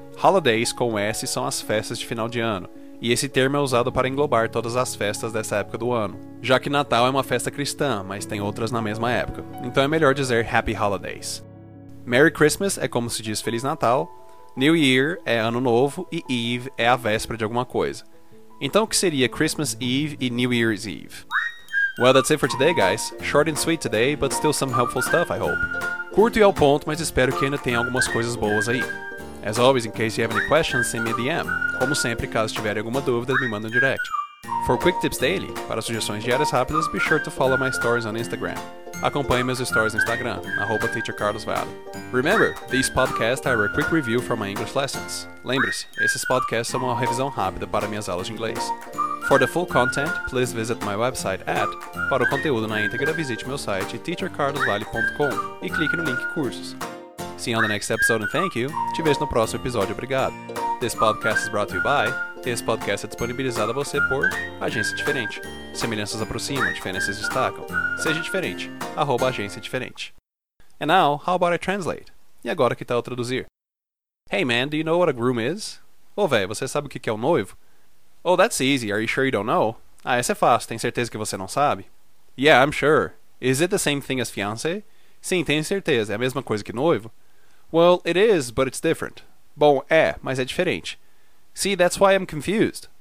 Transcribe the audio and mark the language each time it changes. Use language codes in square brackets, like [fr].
[pt] Holidays com S são as festas de final de ano. E esse termo é usado para englobar todas as festas dessa época do ano. Já que Natal é uma festa cristã, mas tem outras na mesma época. Então é melhor dizer Happy Holidays. Merry Christmas é como se diz Feliz Natal. New Year é Ano Novo e Eve é a véspera de alguma coisa. Então, o que seria Christmas Eve e New Year's Eve? [en] Well, that's it for today, guys. Short and sweet today, but still some helpful stuff, I hope. [pt] Curto e ao ponto, mas espero que ainda tenha algumas coisas boas aí. [en] As always, in case you have any questions, send me a DM. [pt] Como sempre, caso tiverem alguma dúvida, me mandem um direct. [en] For quick tips daily, [pt] para sugestões diárias rápidas, [en] be sure to follow my stories on Instagram. [pt] Acompanhe meus stories no Instagram, @teachercarlosvalle. [en] Remember, these podcasts are a quick review for my English lessons. [pt] Lembre-se, esses podcasts são uma revisão rápida para minhas aulas de inglês. [en] For the full content, please visit my website at... [pt] Para o conteúdo na íntegra, visite meu site teachercarlosvalle.com e clique no link Cursos. [en] See you on the next episode and thank you. [pt] Te vejo no próximo episódio. Obrigado. [en] This podcast is brought to you by... [pt] Esse podcast é disponibilizado a você por Agência Diferente. Semelhanças aproximam, diferenças destacam. Seja diferente. [en] @agenciadiferente. And now, how about I translate? [pt] E agora que tal eu traduzir? [en] Hey man, do you know what a groom is? [pt] Ô véi, você sabe o que é um noivo? [en] Oh, that's easy. Are you sure you don't know? [pt] Ah, essa é fácil. Tem certeza que você não sabe? [en] Yeah, I'm sure. Is it the same thing as fiancé? [pt] Sim, tenho certeza. É a mesma coisa que noivo? [en] Well, it is, but it's different. [pt] Bom, é, mas é diferente. [en] See, that's why I'm confused.